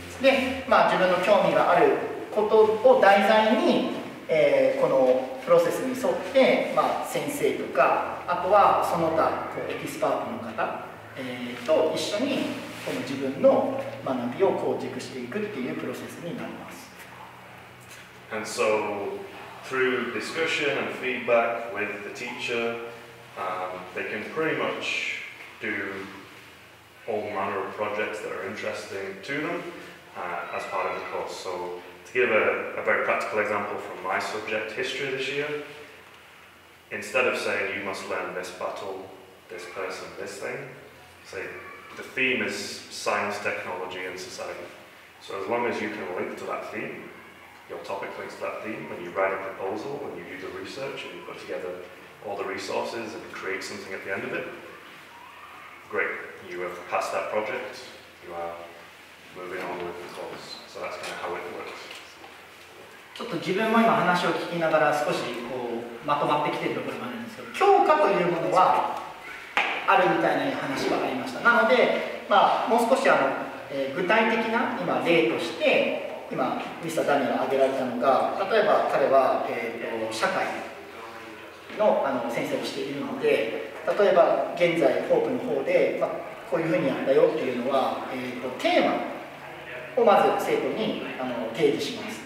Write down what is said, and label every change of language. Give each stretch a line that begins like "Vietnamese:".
Japanese: で、まあ、自分の興味があることを題材に、このプロセスに沿って、まあ、先生とかあとはその他こうエキスパートの方、と一緒にこの自分の学びを構築していくっていうプロセスになります。
English: And so, through discussion and feedback with the teacher, they can pretty much do all manner of projects that are interesting to them as part of the course. So, to give a very practical example from my subject, history this year, instead of saying, you must learn this battle, this person, this thing, say, the theme is science, technology, and society. So as long as you can link to that theme,your topic links to that theme, when you write a proposal, when you do the research, and you put together all the resources and create something at the end of it, great, you have passed that project, you are moving on with the course. So that's kind of how it works.
Japanese: ちょっと自分も今話を聞きながら少しこうまとまってきているところもあるんですけど、教科というものはあるみたいな話はありました。なので、まあ、もう少し具体的な今例として、今ミスターダニエルが挙げられたのが、例えば彼は、社会 の, 先生をしているので、例えば現在ホープの方で、まあ、こういうふうにやったよっていうのは、テーマをまず生徒に提示します。